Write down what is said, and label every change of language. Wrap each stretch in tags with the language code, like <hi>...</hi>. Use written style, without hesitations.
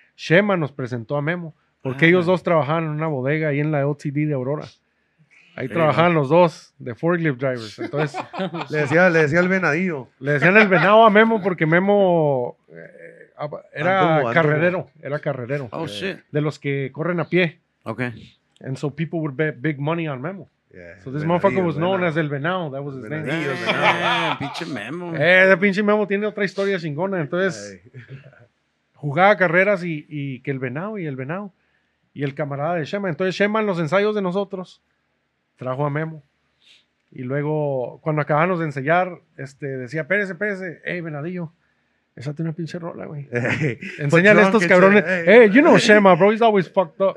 <es>Chema nos presentó a Memo, porque ellos dos trabajaban en una bodega ahí en la OTD de Aurora. Ahí trabajaban los dos, de forklift drivers. Entonces, le decía el venadillo. Le decían el venado a Memo, porque Memo era carrerero.</es> <en>Oh, shit.</en> <es>De los que corren a pie.</es> <en>Okay. And so people would bet big money on Memo. Yeah, so this motherfucker was known as El Venado. That was his name. Yeah, pinche Memo.</en> <es>De pinche Memo tiene otra historia chingona, entonces... Jugaba carreras y que el venado y el camarada de Chema. Entonces Chema en los ensayos de nosotros trajo a Memo. Y luego cuando acabamos de ensayar, decía, espérese, hey venadillo, esa tiene una pinche rola, güey. Enseñale a estos cabrones.</es> <en>Hey, you know Chema, bro, he's always fucked up.</en>